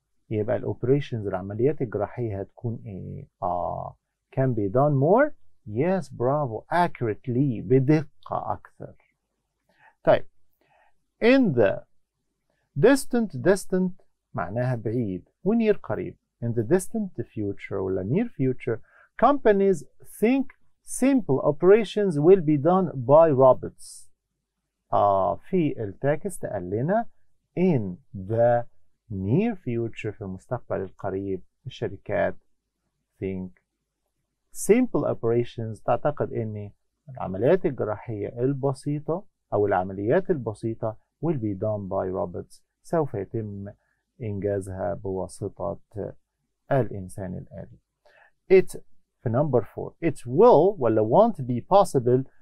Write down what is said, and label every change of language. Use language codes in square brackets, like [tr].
[ar] يبقى الأوبريشنز العمليات الجراحية هتكون إيه؟ [en] Can be done more? Yes, bravo, accurately, [ar] بدقة أكثر. طيب, [en] in the distant [ar] معناها بعيد ونير قريب. [en] In the distant future ولا near future, companies think simple operations will be done by robots. [ar] في التكست قال لنا [en] in the near future [ar] في المستقبل القريب الشركات [en] think simple operations [ar] تعتقد ان العمليات الجراحية البسيطة او العمليات البسيطة [en] will be done by robots [ar] سوف يتم انجازها بواسطة الانسان الالي. [en] It for number four, it will ولا won't be possible